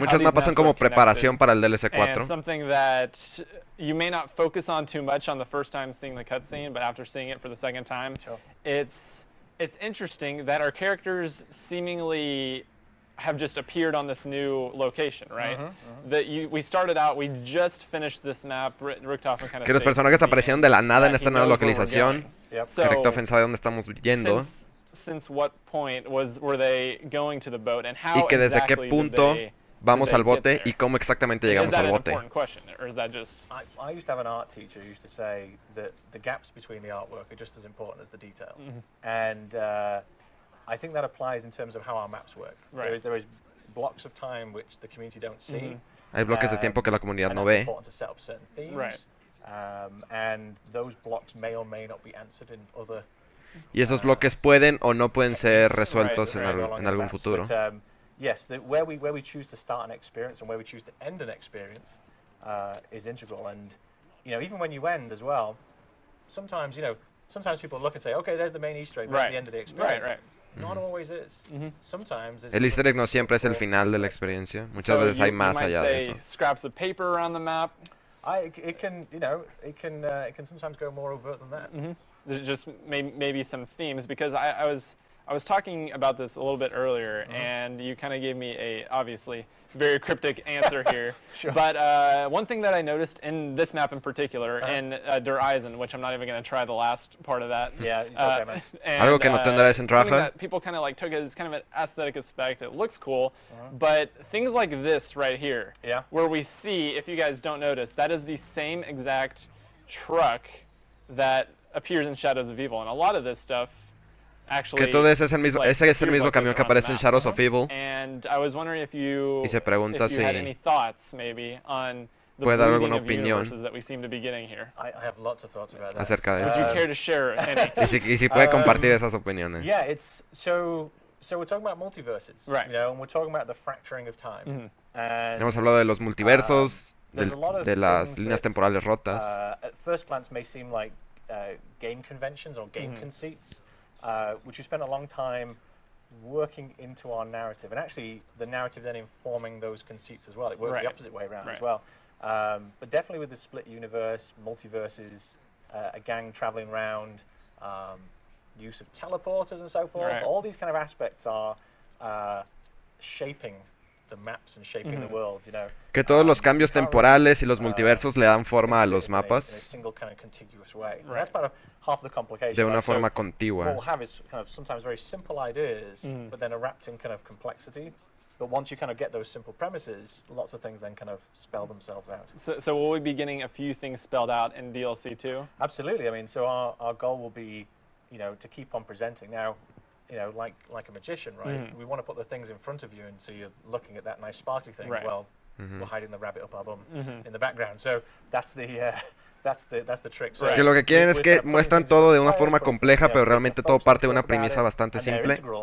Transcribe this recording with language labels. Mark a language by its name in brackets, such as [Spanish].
[Spanish] muchos mapas son como preparación para el DLC 4. [English] Something that you may not focus on too much on the first time seeing the cutscene, but after seeing it for the second time, it's interesting that our characters seemingly have just appeared on this new location, right? That we started out, we just finished this map, Richtofen kind of. [Spanish] Que los personajes aparecieron de la nada en esta nueva localización. Que Richtofen sabe dónde estamos yendo. [English] Since what point were they going to the boat, and how exactly did they get there? Important question, or is that just? I used to have an art teacher who used to say that the gaps between the artwork are just as important as the detail, and I think that applies in terms of how our maps work. There is blocks of time which the community don't see. [Spanish] Hay bloques de tiempo que la comunidad no ve. [English] It's important to set up certain themes, and those blocks may or may not be answered in other. [Spanish] Y esos bloques pueden o no pueden ser resueltos en algún futuro. [English] Yes, where we choose to start an experience and where we choose to end an experience is integral. And you know, even when you end as well, sometimes you know, sometimes people look and say, okay, there's the main Easter egg, that's the end of the experience. Not always is. Sometimes [Spanish] el Easter egg no siempre es el final de la experiencia. Muchas veces hay más allá de eso. [English] Scraps of paper around the map. It can sometimes go more overt than that. Just maybe some themes, because I was talking about this a little bit earlier, and you kind of gave me a obviously very cryptic answer here. But one thing that I noticed in this map in particular, in Der Eisen, which I'm not even going to try the last part of that. [Spanish] Algo que noté en Der Eisen trabaja. [English] Something that people kind of like took as kind of an aesthetic aspect. It looks cool, but things like this right here, where we see, if you guys don't notice, that is the same exact truck that appears in Shadows of Evil, and a lot of this stuff actually. [Spanish] Que todo ese es el mismo, like, ese es el mismo camión que aparece en Shadows of Evil. [English] And I was wondering if you, [Spanish] si [English] had any thoughts maybe on the [Spanish] puede dar alguna [English] of [Spanish] opinión [English] universes that we seem to be getting here. I have lots of thoughts about that. [Spanish] Acerca de eso. [English] Would you care to share any? [Spanish] y si puede compartir esas opiniones. [English] Yeah, so we're talking about multiverses, right? You know, and we're talking about the fracturing of time. And [Spanish] hemos hablado de los multiversos, de las líneas temporales rotas. [English] At first glance, may seem like game conventions or game conceits, which we spent a long time working into our narrative, and actually the narrative then informing those conceits as well. It works the opposite way around as well. But definitely with the split universe, multiverses, a gang traveling around, use of teleporters and so forth, all these kind of aspects are shaping the maps and shaping the world, you know. [Spanish] Que todos los cambios temporales y los multiversos le dan forma a los mapas. [English] In a single kind of contiguous way. Right. That's about half the complication. [Spanish] De una forma contigua. [English] What we'll have is kind of sometimes very simple ideas, but then are wrapped in kind of complexity. But once you kind of get those simple premises, lots of things then kind of spell themselves out. So will we be getting a few things spelled out in DLC too? Absolutely. I mean, so our goal will be, you know, to keep on presenting. Now, you know, like a magician, right? Mm-hmm. We want to put the things in front of you, and so you're looking at that nice sparkly thing. Right. Well, we're hiding the rabbit up our bum in the background. So that's the that's the trick. Right. [Spanish] Que lo que quieren es que muestran todo de una forma compleja, pero realmente todo parte de una premisa bastante simple.